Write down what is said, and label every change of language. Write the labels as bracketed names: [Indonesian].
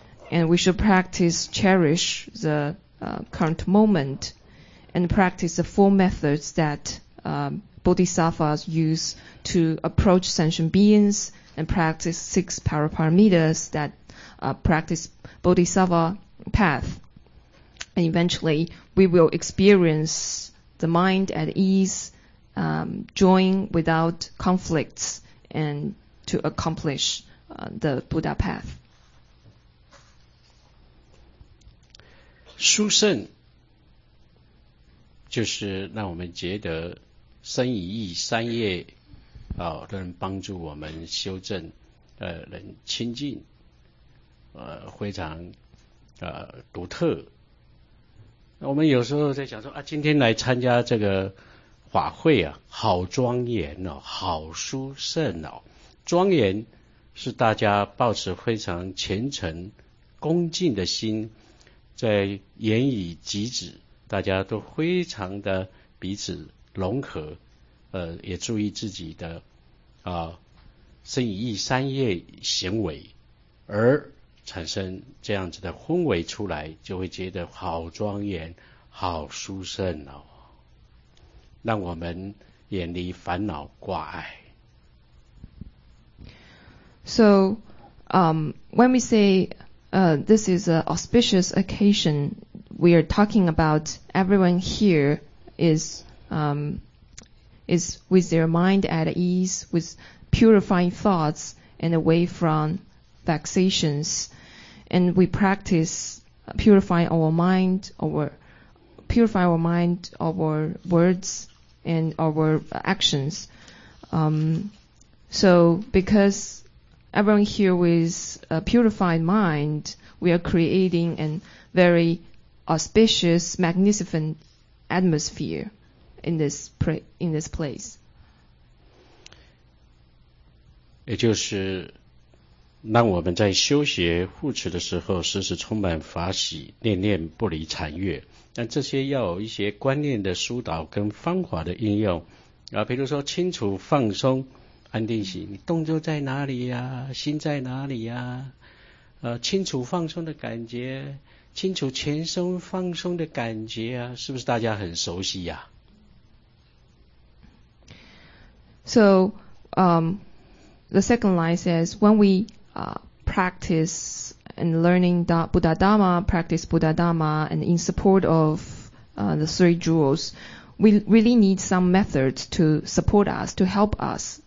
[English] And we should practice, cherish the current moment and practice the four methods that bodhisattvas use to approach sentient beings and practice six paramitas that practice bodhisattva path. And eventually, we will experience the mind at ease, joy without conflicts, and to accomplish the Buddha path. [Chinese] 殊胜就是让我们觉得生以意三业能帮助我们修正能清净非常独特。我们有时候在想说啊，今天来参加这个法会啊，好庄严哦，好殊胜哦。庄严是大家抱持非常虔诚恭敬的心，在言语举止大家都非常的彼此融合，也注意自己的身以意三业行为，而产生这样子的氛围出来，就会觉得好庄严好殊胜哦，让我们远离烦恼挂碍。 [English] So when we say this is an auspicious occasion, we are talking about everyone here is with their mind at ease, with purifying thoughts and away from vexations. And we practice purifying our mind, our words, and our actions. So because everyone here with a purified mind, we are creating a very auspicious, magnificent atmosphere in this place. [Chinese] 也就是让我们在修学护持的时候时时充满法喜，念念不离禅悦。但这些要有一些观念的疏导跟方法的应用啊，比如说清楚放松安定心，你动作在哪里呀？心在哪里呀？清楚放松的感觉，清楚全身放松的感觉啊，是不是大家很熟悉呀？ [English] So, the second line says, when we practice and learning Buddha Dharma, practice Buddha Dharma, and in support of the three jewels,we really need some methods to support us, to help us.